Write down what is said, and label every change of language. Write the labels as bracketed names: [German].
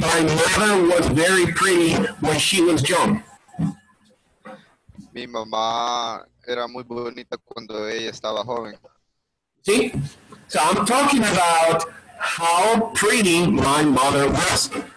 [English] My mother was very pretty when she was young. [Spanish] Mi mamá era muy bonita cuando ella estaba joven. [English] See? So I'm talking about how pretty my mother was.